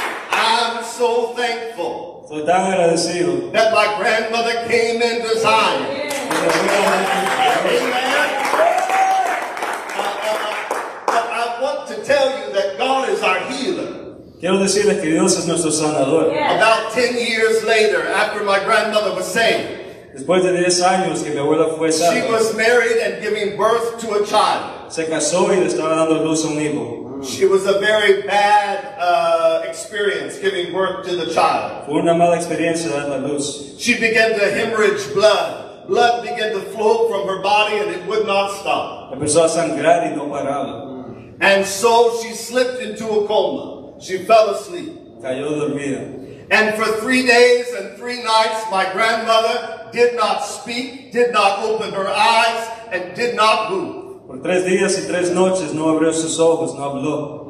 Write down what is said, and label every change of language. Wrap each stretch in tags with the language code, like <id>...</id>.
<en>I'm so thankful that my grandmother came into Zion. But I want to tell you that God is our healer.</en> <es>Quiero decirles que Dios es nuestro sanador.</es> <en>About 10 years later, after my grandmother was saved,</en> <es>después de 10 años que mi abuela fue salva,</es> <en>she was married and giving birth to a child.</en> <es>Se casó y le estaba dando luz a un hijo.</es> <en>She was a very bad experience giving birth to the child.</en> <es>Fue una mala experiencia dar la luz.</es> <en>She began to hemorrhage blood. Blood began to flow from her body and it would not stop.</en> <es>Empezó a sangrar y no paraba.</es> <en>And so she slipped into a coma. She fell asleep.</en> <es>Cayó dormida.</es> <en>And for 3 days and 3 nights, my grandmother did not speak, did not open her eyes, and did not move.</en> <es>Por 3 días y 3 noches no abrió sus ojos, no habló.</es>